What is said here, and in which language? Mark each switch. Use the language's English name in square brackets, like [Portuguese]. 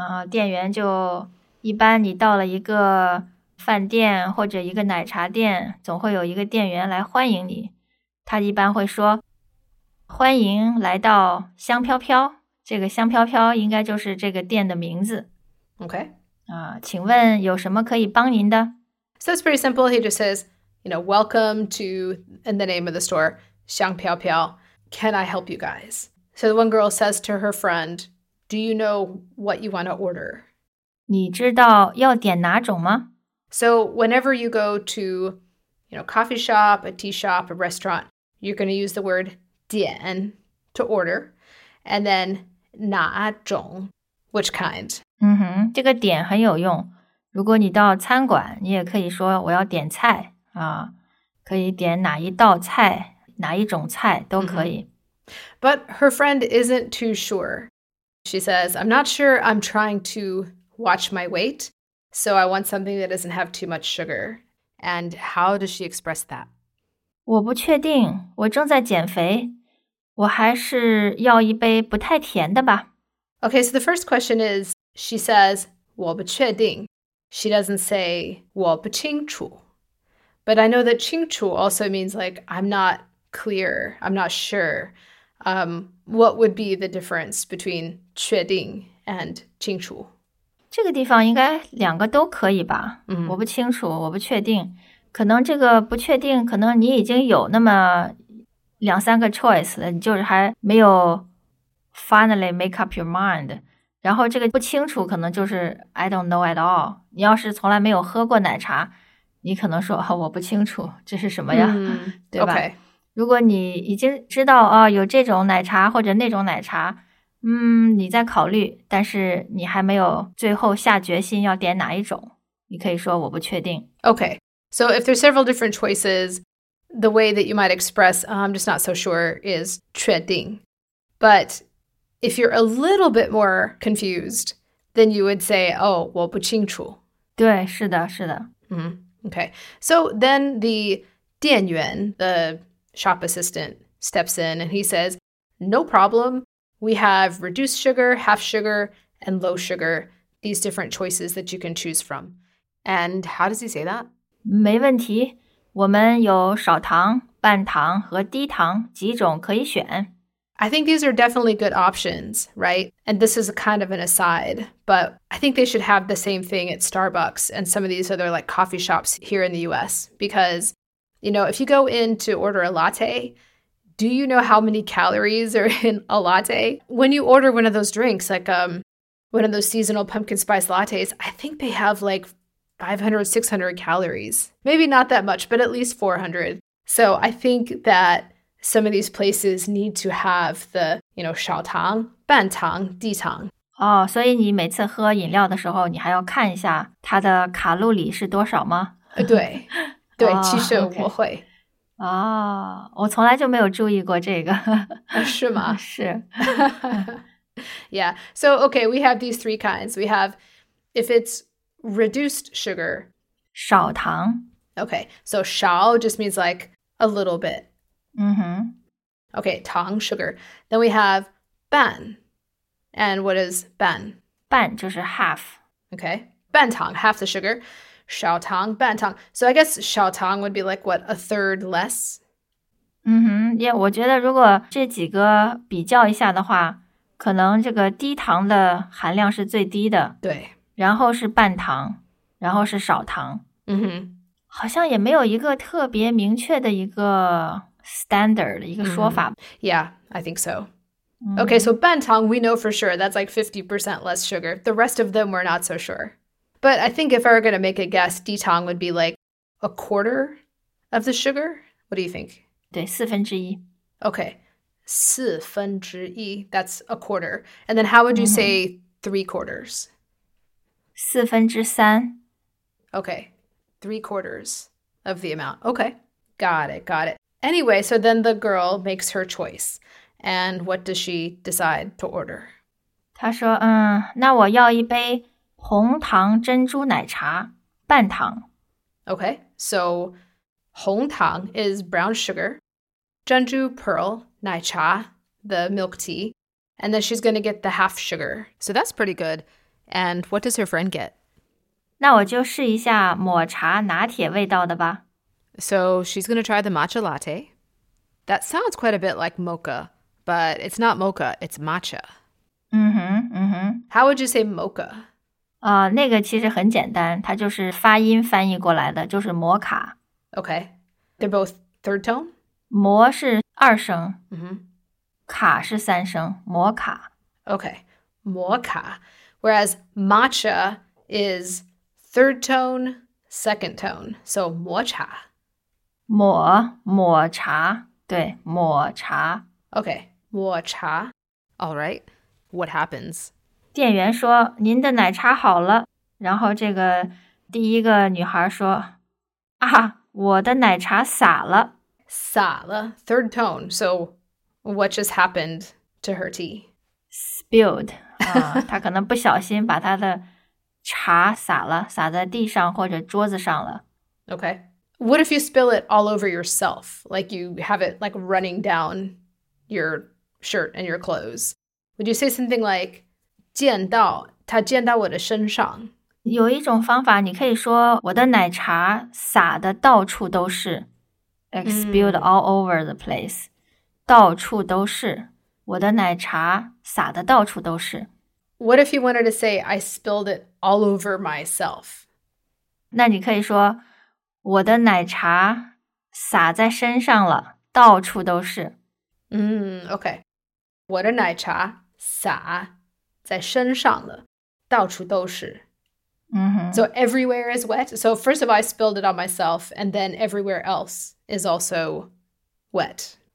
[Chinese] 店员就一般你到了一个饭店或者一个奶茶店总会有一个店员来欢迎你。他一般会说欢迎来到香飘飘。这个香飘飘应该就是这个店的名字。 [English] OK. [Chinese] 请问有什么可以帮您的 [English] ?So it's pretty simple. He just says, you know, welcome to, in the name of the store, 香飘飘。 Can I help you guys? So the one girl says to her friend, do you know what you want to order? [Chinese] 你知道要点哪种吗? [English] So whenever you go to, you know, coffee shop, a tea shop, a restaurant, you're going to use the word 点 to order, and then 哪种, which kind? [Chinese] 嗯哼,这个点很有用。如果你到餐馆,你也可以说我要点菜,可以点哪一道菜。哪一种菜都可以。 [English] But her friend isn't too sure. She says, I'm not sure I'm trying to watch my weight, so I want something that doesn't have too much sugar. And how does she express that? [Chinese] 我不确定,我正在减肥,我还是要一杯不太甜的吧。 [English] Okay, so the first question is, she says, [Chinese] 我不确定。 [English] She doesn't say, [Chinese] 我不清楚。 [English] But I know that 清楚 also means like, I'm not... clear. I'm not sure. What would be the difference between 确定 and 清楚? [Chinese] 这个地方应该两个都可以吧。我不清楚，我不确定。可能这个不确定，可能你已经有那么两三个 choice 了，你就是还没有 [English] finally make up your mind. [Chinese] 然后这个不清楚可能就是 [English] I don't know at all. [Chinese] 你要是从来没有喝过奶茶，你可能说，我不清楚，这是什么呀？对吧？如果你已经知道啊、哦、有这种奶茶或者那种奶茶，你在考虑，但是你还没有最后下决心要点哪一种，你可以说我不确定。 [English] Okay, so if there's several different choices, the way that you might express、I'm just not so sure is 确定。 But if you're a little bit more confused, then you would say, oh, [Chinese] 我不清楚。对，是的，是的。 [English] Okay, so then the 店员 the shop assistant steps in and he says, no problem. We have reduced sugar, half sugar, and low sugar. These different choices that you can choose from. And how does he say that? [Chinese] 没问题。我们有少糖、半糖和低糖几种可以选。 [English] I think these are definitely good options, right? And this is a kind of an aside, but I think they should have the same thing at Starbucks and some of these other like coffee shops here in the US because... You know, if you go in to order a latte, do you know how many calories are in a latte? When you order one of those drinks, like one of those seasonal pumpkin spice lattes, I think they have like 500, 600 calories. Maybe not that much, but at least 400. So I think that some of these places need to have the, you know, [Chinese] 少糖、半糖、低糖。哦，所以你每次喝饮料的时候，你还要看一下它的卡路里是多少吗？对。对，其实我会。哦，我从来就没有注意过这个。是吗？是。 [English] Yeah, so okay, we have these three kinds. We have if it's reduced sugar. [Chinese] 少糖。 [English] Okay, so 少 just means like a little bit. 嗯哼。 Okay, 糖 sugar. Then we have 半。And what is 半? [Chinese] 半就是 half. [English] Okay, 半糖 half the sugar. 少糖半糖。 So I guess 少糖 would be like what, a third less? 嗯哼。 [Chinese] Yeah, 我觉得如果这几个比较一下的话可能这个低糖的含量是最低的。对。然后是半糖然后是少糖。嗯哼。好像也没有一个特别明确的一个 standard, 一个说法。 [English] Mm-hmm. Yeah, I think so.、Mm-hmm. Okay, so 半糖 we know for sure. That's like 50% less sugar. The rest of them, we're not so sure. But I think if I were going to make a guess, 低糖 would be like a quarter of the sugar. What do you think? [Chinese] 对,四分之一。 [English] Okay. 四分之一 that's a quarter. And then how would you say three quarters? [Chinese] 四分之三 [English] Okay, three quarters of the amount. Okay, got it, got it. Anyway, so then the girl makes her choice. And what does she decide to order? [Chinese] 她说，嗯，那我要一杯红糖珍珠奶茶，半糖。 [English] Okay, so 红糖 is brown sugar. 珍珠 pearl, 奶茶, the milk tea. And then she's going to get the half sugar. So that's pretty good. And what does her friend get? [Chinese] 那我就试一下抹茶拿铁味道的吧。 [English] So she's going to try the matcha latte. That sounds quite a bit like mocha, but it's not mocha, it's matcha. 嗯哼嗯哼。 How would you say mocha? [Chinese] 那个其实很简单,它就是发音翻译过来的,就是摩卡。 [English] Okay. They're both third tone? [Chinese] 摩是二声、 mm-hmm. 卡是三声摩卡 [English] Okay, 摩卡 Whereas matcha is third tone, second tone So 摩茶 [Chinese] 摩抹茶对抹茶 [English] Okay, 抹茶 Alright, what happens? [Chinese] 店员说您的奶茶好了然后这个第一个女孩说啊我的奶茶洒了 [English] 洒了 third tone. So what just happened to her tea? Spilled. [Chinese] 她可能不小心把她的茶洒了洒在地上或者桌子上了。 [English] Okay. What if you spill it all over yourself? Like you have it like running down your shirt and your clothes. Would you say something like, [Chinese] 溅到,她溅到我的身上。有一种方法你可以说我的奶茶洒的到处都是。 [English] Like spilled all over the place. [Chinese] 到处都是。我的奶茶洒的到处都是。 [English] What if you wanted to say, I spilled it all over myself? [Chinese] 那你可以说,我的奶茶洒在身上了,到处都是。 [English] Okay. [Chinese] 我的奶茶洒在身上了,到处都是。 Mm-hmm. [English] So everywhere is wet. So first of all, I spilled it on myself, and then everywhere else is also wet.